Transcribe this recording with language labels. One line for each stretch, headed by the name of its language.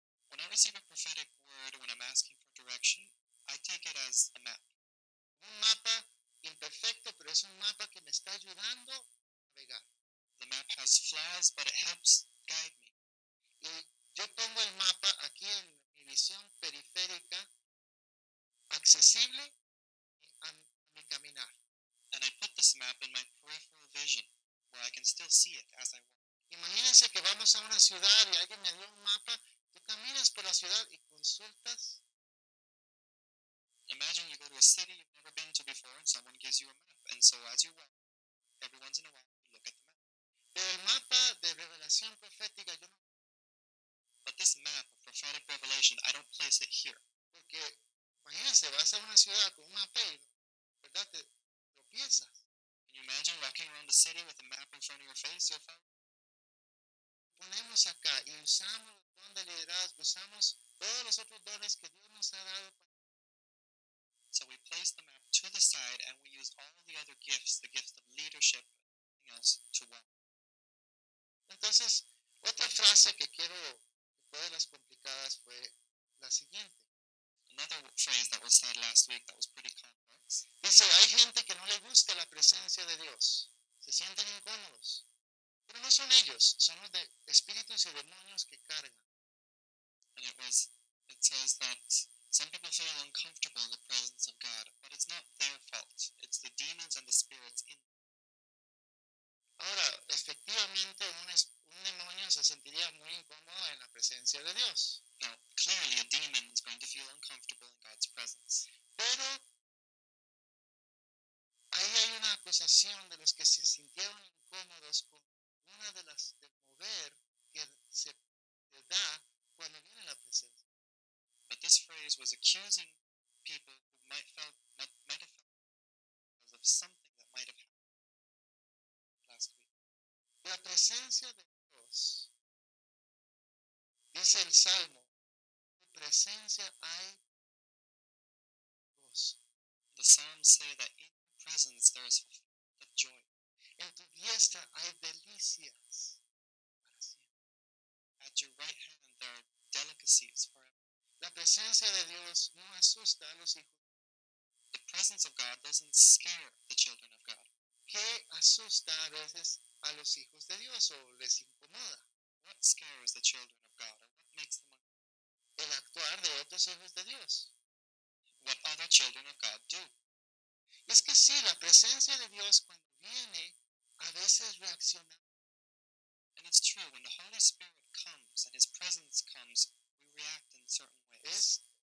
English: When I receive a prophetic word, when I'm asking for direction, I take it as a map.
Spanish: Un mapa imperfecto, pero es un mapa que me está ayudando a navegar.
English: The map has flaws, but it helps guide me.
Spanish: Y yo pongo el mapa aquí en mi visión periférica, accesible a mi caminar.
English: And I put this map in my peripheral vision, where I can still see it as I walk.
Spanish: Imagínense que vamos a una ciudad y alguien me dio un mapa. Tú caminas por la ciudad y consultas.
English: Imagine you go to a city you've never been to before and someone gives you a map. And so as you walk, every once in a while, you look at the map.
Spanish: Pero el mapa de revelación profética, yo no.
English: But this map of prophetic revelation, I don't place it here.
Spanish: Porque imagínense, vas a una ciudad con un mapa y, ¿verdad? Te tropiezas.
English: Can you imagine walking around the city with a map in front of your face? You'll find.
Spanish: Ponemos acá y usamos el don de liderazgo, usamos todos los otros dones que Dios nos ha dado.
English: So we place the map to the side and we use all the other gifts, the gifts of leadership and everything else to walk.
Spanish: Entonces, otra frase que quiero, fue de las complicadas, fue la siguiente.
English: Another phrase that was said last week that was pretty complex.
Spanish: Dice, hay gente que no le gusta la presencia de Dios. Se sienten incómodos. Pero no son ellos, son los de espíritus y demonios que cargan.
English: And it says that some people feel uncomfortable in the presence of God, but it's not their fault. It's the demons and the spirits in them.
Spanish: Ahora, efectivamente, un demonio se sentiría muy incómodo en la presencia de Dios.
English: Now, clearly, a demon is going to feel uncomfortable in God's presence.
Spanish: Pero, ahí hay una acusación de los que se sintieron incómodos con una de las del mover que se da cuando viene la presencia.
English: But this phrase was accusing people who might have felt because of something that might have happened last week.
Spanish: La presencia de Dios, dice el Salmo, tu presencia hay gozo.
English: The Psalms say that in your presence there is fulfillment of joy.
Spanish: En tu diestra hay delicias para siempre.
English: At your right hand there are delicacies forever.
Spanish: La presencia de Dios no asusta a los hijos.
English: The presence of God doesn't scare the children of God.
Spanish: ¿Qué asusta a veces a los hijos de Dios o les incomoda?
English: What scares the children of God or what makes them
Spanish: El actuar de otros hijos de Dios.
English: What other children of God do?
Spanish: Es que sí, la presencia de Dios cuando viene a veces reacciona.
English: And it's true, when the Holy Spirit comes and His presence comes, react in certain ways.